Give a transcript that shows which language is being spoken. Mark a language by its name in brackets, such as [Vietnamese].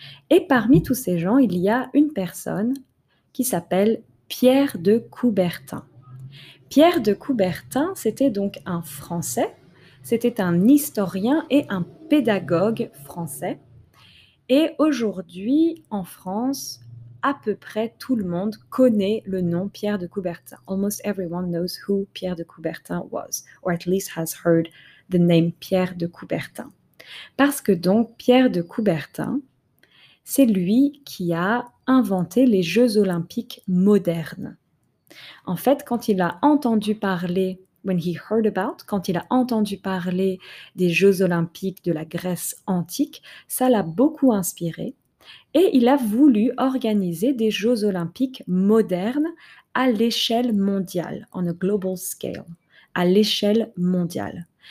[French] Et parmi tous ces gens, il y a une personne qui s'appelle Pierre de Coubertin. Pierre de Coubertin, c'était donc un Français, c'était un historien et un pédagogue français. Et aujourd'hui, en France, à peu près tout le monde connaît le nom Pierre de Coubertin. [English] Almost everyone knows who Pierre de Coubertin was, or at least has heard the name Pierre de Coubertin. [French] Parce que donc, Pierre de Coubertin, c'est lui qui a inventé les Jeux olympiques modernes. En fait, quand il a entendu parler, quand il a entendu parler des Jeux olympiques de la Grèce antique, ça l'a beaucoup inspiré et il a voulu organiser des Jeux olympiques modernes à l'échelle mondiale, [English] on a global scale, [French] à l'échelle mondiale.